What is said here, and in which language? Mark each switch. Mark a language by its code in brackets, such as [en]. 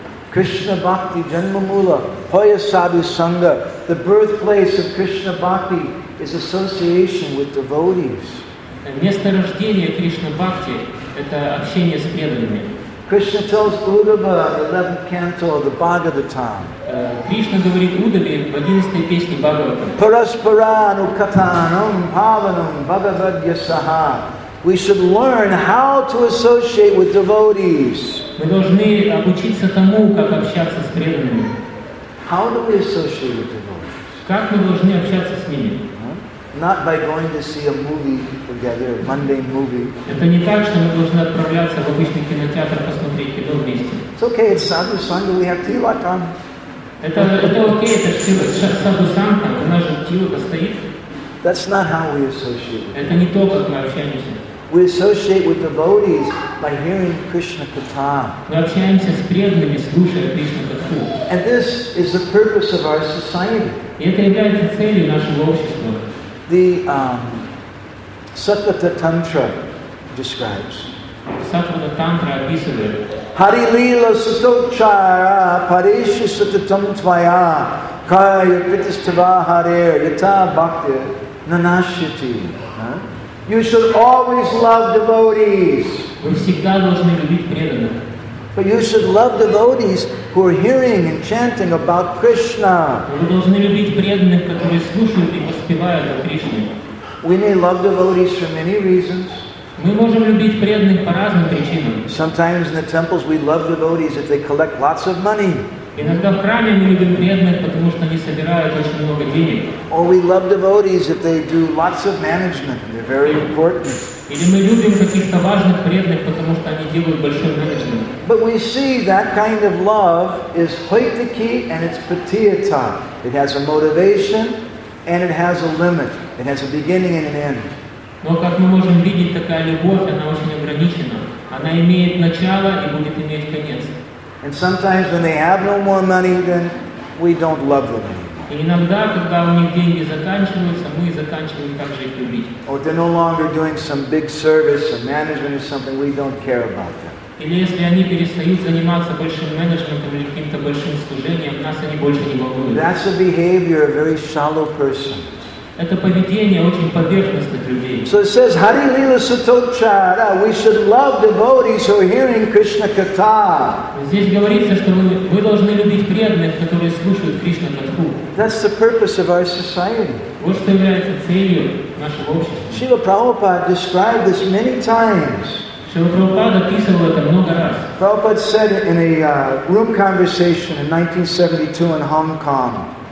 [bn] Krishna bhakti janmamula, hoya sadhu sangha, [en] the birthplace of Krishna bhakti is association with devotees. [ru] Место рождения Кришна бхакти это общение с преданными. [en] Krishna tells Uddhava in the 11th canto of the Bhagavatam. [ru] Кришна говорит Удаве в 11-й песне Бхагаватам. [sa] Параспарану катанам паванам бхагавадьясаха. [en] We should learn how to associate with devotees. [ru] Мы должны обучиться тому, как общаться с преданными. [en] How do we associate with devotees? [ru] Как мы должны общаться с ними? [en] Not by going to see a movie together, a mundane movie. [ru] Это не так, что мы должны отправляться в обычный кинотеатр посмотреть кино вместе. [en] It's okay, it's sadhu sangha, we have tilakam. [ru] Это окей, это sadhu sangha, у нас же тилака стоит. [en] That's not how we associate. [ru] Это не то, как мы общаемся. [en] We associate with devotees by hearing Krishna katha. [ru] Мы общаемся с преданными, слушая Кришна катху. [en] And this is the purpose of our society. [ru] И это является целью нашего общества. [en] The Satvata Tantra describes. [ru] Satvata Tantra описывает. [sa] Hari Lila Sutochara Parishi Satatam Tvaya Kaya Pitistava Harir Yata Bhakti Nanashiti. [en] You should always love devotees. [ru] Вы всегда должны любить преданных. [en] But you should love devotees who are hearing and chanting about Krishna. [ru] Вы должны любить преданных, которые слушают и воспевают о Кришне. [en] We may love devotees for many reasons. [ru] Мы можем любить преданных по разным причинам. [en] Sometimes in the temples we love devotees if they collect lots of money. [ru] Иногда в храме мы любим преданных, потому что они собирают очень много денег. [en] Or we love devotees if they do lots of management. They're very important. [ru] Или мы любим каких-то важных преданных, потому что они делают большой менеджмент. [en] But we see that kind of love is hoitiki and it's patiyata. It has a motivation and it has a limit. It has a beginning and an end. [ru] Но как мы можем видеть, такая любовь, она очень ограничена. Она имеет начало и будет иметь конец. [en] And sometimes when they have no more money, then we don't love them anymore. [ru] Иногда, когда у них деньги заканчиваются, мы заканчиваем также их любить. [en] Or they're no longer doing some big service or management or something, we don't care about them. [ru] Или если они перестают заниматься большим менеджментом или каким-то большим служением, нас они больше не волнуют. [en] That's a behavior of a very shallow person. [ru] Это поведение очень поверхностных людей. [en] So it says, [sa] Hari Lila Sutochara, [en] we should love devotees who are hearing Krishna Katha. [ru] Здесь говорится, что мы должны любить преданных, которые слушают Кришна Катху. [en] That's the purpose of our society. [ru] Вот что является целью нашего общества. [en] Srila Prabhupada described this many times. [ru] Srila Prabhupada описывал это много раз. [en] Prabhupada said in a group conversation in 1972 in Hong Kong.